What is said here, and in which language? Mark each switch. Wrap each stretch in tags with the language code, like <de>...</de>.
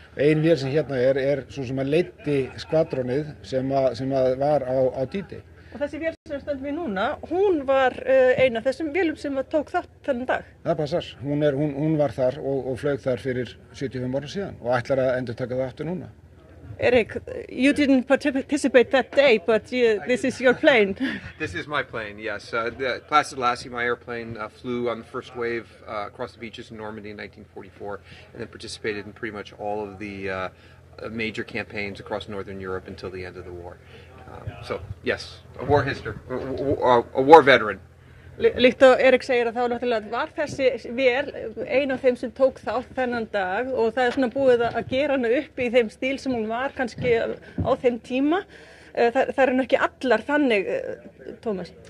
<is>Ein vél sem hérna er svo sem að leiddi skvadrónið sem að var á D-day. Og þessi vél sem stendum við núna, hún var ein af þessum vélum sem að tók þátt þennan dag? Það passar, hún var þar og flaug þar fyrir 75 árum síðan og ætlar að endurtaka það aftur núna.</is> <en>Eric, you didn't participate that day, but this is your plane. This is my plane, yes. Placid Lassie, my airplane, flew on the first wave across the beaches in Normandy in 1944, and then participated in pretty much all of the major campaigns across Northern Europe until the end of the war. So, yes, a war history, a war veteran.</en> <is>Líkt og Erik segir að þá náttúrulega var þessi vél ein af þeim sem tók þátt þennan dag og það er svona búið að gera hana upp í þeim stíl sem hún var kannski á þeim tíma. Það eru ekki allar þannig, Thomas?</is>